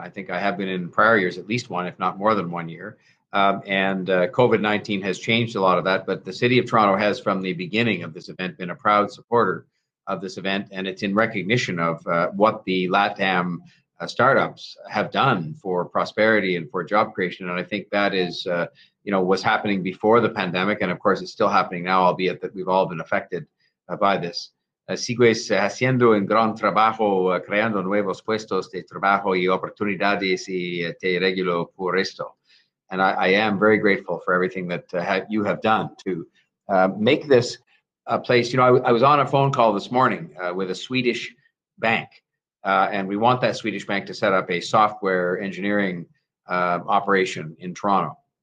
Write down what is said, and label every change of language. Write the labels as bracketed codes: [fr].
[en] I think I have been in prior years, at least one, if not more than 1 year. COVID-19 has changed a lot of that, but the City of Toronto has, from the beginning of this event, been a proud supporter of this event, and it's in recognition of what the LATAM startups have done for prosperity and for job creation. And I think that is, you know, was happening before the pandemic. And of course, it's still happening now, albeit that we've all been affected by this. [es] Sigues haciendo un gran trabajo, creando nuevos puestos de trabajo y oportunidades y te regulo por esto. [en] And I am very grateful for everything that you have done to make this a place. You know, I was on a phone call this morning with a Swedish bank. And we want that Swedish bank to set up a software engineering operation in Toronto.